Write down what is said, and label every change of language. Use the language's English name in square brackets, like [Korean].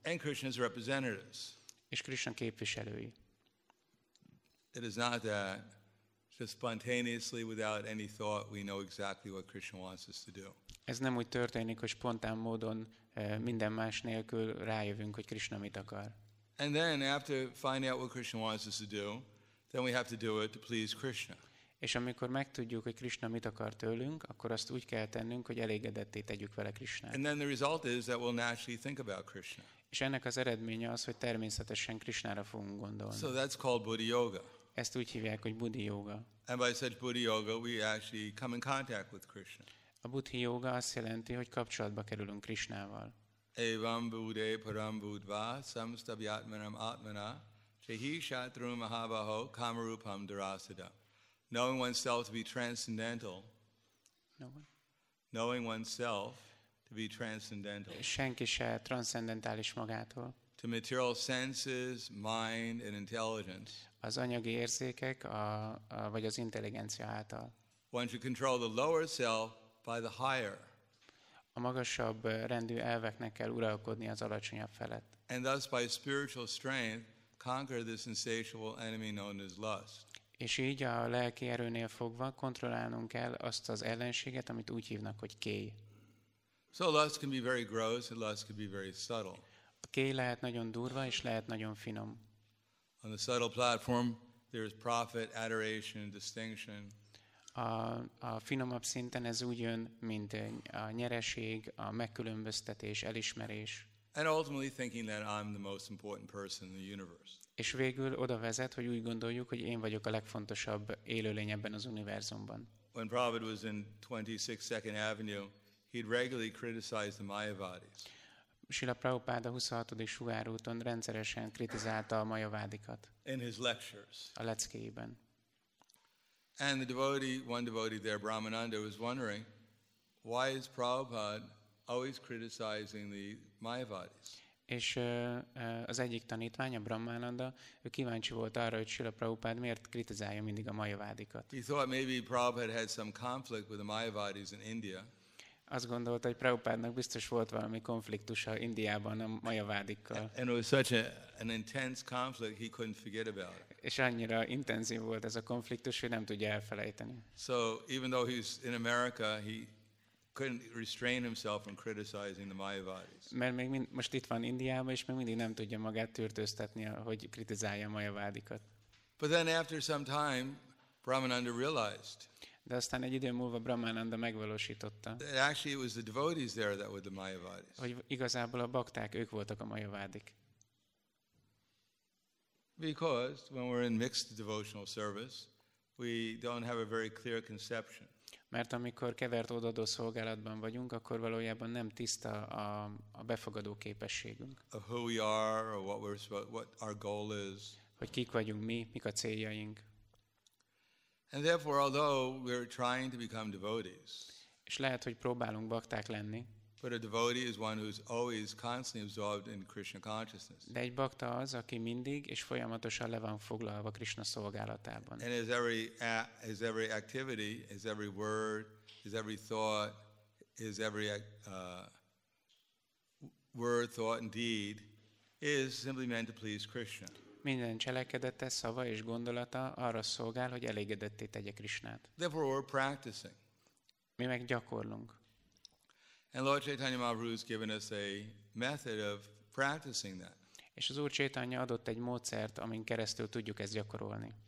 [English] And Krishna's representatives. [Hungarian] És Krishna képviselői. [English] It is not that just spontaneously without any thought we know exactly what Krishna wants us to do. [Hungarian] Ez nem úgy történik, hogy spontán módon minden más nélkül rájövünk, hogy Krishna mit akar. [English] And then after finding out what Krishna wants us to do, then we have to do it to please Krishna. [Hungarian] És amikor megtudjuk, hogy Krishna mit akar tőlünk, akkor azt úgy kell tennünk, hogy elégedetté tegyük vele Krishnát. [English] And then the result is that we'll naturally think about Krishna. [Hungarian] És ennek az eredménye az, hogy természetesen Krishnára fogunk gondolni. [English] So that's called buddhi yoga. [Hungarian] Ezt úgy hívják, hogy buddhi yoga. [English] And by such buddhi yoga, we actually come in contact with Krishna. [Hungarian] A buddhi yoga azt jelenti, hogy kapcsolatba kerülünk Krishnával. [Sanskrit] Evam buddhe param buddhva samstabhyatmanam atmana chahi shatru mahabaho kamarupam durasada. [English] Knowing oneself to be transcendental. Knowing oneself to be transcendental. [Hungarian] Senki se transzendentális magától. [English] To material senses, mind and intelligence. [Hungarian] Az anyagi érzékek, vagy az intelligencia által. [English] One should control the lower self by the higher. [Hungarian] A magasabb rendű elveknek kell uralkodni az alacsonyabb felett. [English] And thus by spiritual strength conquer this insatiable enemy known as lust. [Hungarian] És így a lelki erőnél fogva kontrollálnunk kell azt az ellenséget, amit úgy hívnak, hogy kéj. [English] So lust can be very gross and lust can be very subtle. [Hungarian] A kéj lehet nagyon durva és lehet nagyon finom. [English] On the subtle platform there is profit, adoration, distinction. [Hungarian] A finomabb szinten ez úgy jön, mint a nyereség, a megkülönböztetés, elismerés. [English] And ultimately thinking that I'm the most important person in the universe. [Hungarian] És végül oda vezet, hogy úgy gondoljuk, hogy én vagyok a legfontosabb élőlény ebben az univerzumban. [English] When Prabhupada was in 26 Second Avenue, he'd regularly criticize the Mayavadis. [Hungarian] Srila Prabhupada 26. sugár úton rendszeresen kritizálta a Mayavadikat. [English] In his lectures. [Hungarian] A leckéiben. [English] And the devotee, one devotee there, Brahmananda, was wondering, why is Prabhupada always criticizing the Mayavadis? [Hungarian] És az egyik tanítvány, a Brahmananda, ő kíváncsi volt arra, hogy Srila Prabhupada miért kritizálja mindig a Mayavadikat. [English] He thought maybe Prabhupada had some conflict with the Mayavadis in India. [Hungarian] Azt gondolta, hogy Prabhupádnak biztos volt valami konfliktusa Indiában a Mayavadikkal. [English] And it was such an intense conflict he couldn't forget about. [Hungarian] És annyira intenzív volt ez a konfliktus, hogy nem tudja elfelejteni. [English] So even though he's in America, he couldn't restrain himself from criticizing the Mayavadis. [Hungarian] Mert még most itt van Indiában, és még mindig nem tudja magát tűrtőztetni, hogy kritizálja a Mayavadikat. [English] But then after some time, Brahmananda realized. [Hungarian] De aztán egy idő múlva Brahmananda megvalósította. [English] Actually it was the devotees there that were the Mayavadis. [Hungarian] Hogy igazából a bakták, ők voltak a Mayavadik. [English] Because when we're in mixed devotional service, we don't have a very clear conception. [Hungarian] Mert amikor kevert odaadó szolgálatban vagyunk, akkor valójában nem tiszta a befogadó képességünk. [English] Of who we are or what our goal is. [Hungarian] Hogy kik vagyunk mi, mik a céljaink. [English] And therefore, although we're trying to become devotees, [Hungarian] és lehet, hogy próbálunk bakták lenni, [English] but a devotee is one who's always constantly absorbed in Krishna consciousness. [Hungarian] De egy bakta az, aki mindig és folyamatosan le van foglalva Krishna szolgálatában. [English] And his every activity, his every word, his every thought, his every word, thought, and deed is simply meant to please Krishna. [Hungarian] Minden cselekedete, szava és gondolata arra szolgál, hogy elégedetté tegye Krisnát. [English] Therefore we're practicing. [Hungarian] Mi meg gyakorlunk. [English] And Lord Chaitanya Mahaprabhu has given us a method of practicing that. [Hungarian] És az Úr Chaitanya adott egy módszert, amin keresztül tudjuk ezt gyakorolni.